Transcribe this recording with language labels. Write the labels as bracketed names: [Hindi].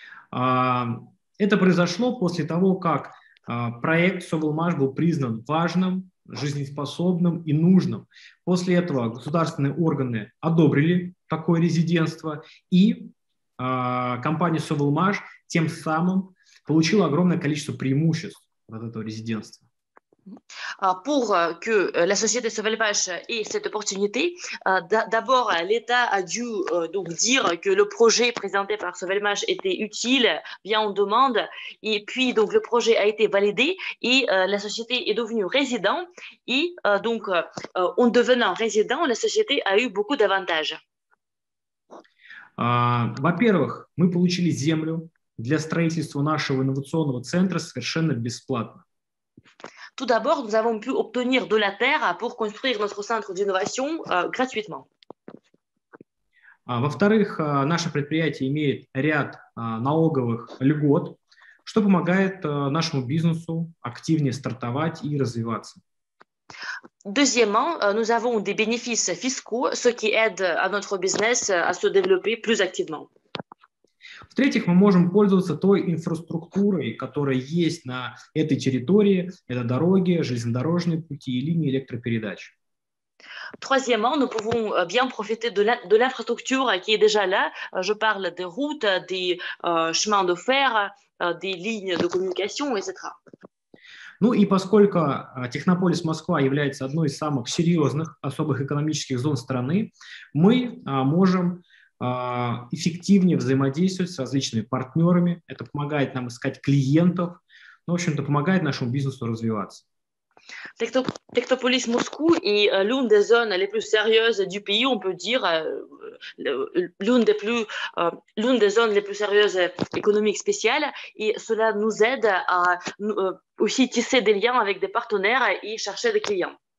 [Russian] Это произошло после того, как проект Sovelmash был признан важным, жизнеспособным и нужным. После этого государственные органы одобрили такое резидентство, и компания Sovelmash тем самым получила огромное количество преимуществ от этого резидентства. [French] Pour que la société Sovelmash ait cette opportunité, d'abord l'État a dû donc dire que le projet présenté par Sovelmash était utile, bien en demande, et puis donc le projet a été validé et la société est devenue résident et donc en devenant résident, la société a eu beaucoup d'avantages. [Russian] Во-первых, мы получили землю для строительства нашего инновационного центра совершенно бесплатно. [French] Tout d'abord, nous avons pu obtenir de la terre pour construire notre centre d'innovation gratuitement. [Russian] Во-вторых, наше предприятие имеет ряд налоговых льгот, что помогает нашему бизнесу активнее стартовать и развиваться. [French] Deuxièmement, nous avons des bénéfices fiscaux, ce qui aide à notre business à se développer plus activement. [Russian] В-третьих, мы можем пользоваться той инфраструктурой, которая есть на этой территории. Это дороги, железнодорожные пути и линии электропередач. [French] Troisièmement, nous pouvons bien profiter de l'infrastructure qui est déjà là. Je parle des routes, des chemins de fer, des lignes de communication, etc. [Russian] Ну и поскольку Технополис Москва является одной из самых серьезных особых экономических зон страны, мы можем эффективнее взаимодействовать с различными партнерами. Это помогает нам искать клиентов, ну, в общем-то, помогает нашему бизнесу развиваться. [French] Technopolis Moscou est l'une des zones les plus sérieuses du pays, on peut dire l'une des zones les plus sérieuses économiques spéciales, et cela nous aide à aussi tisser des liens avec des partenaires et chercher des clients.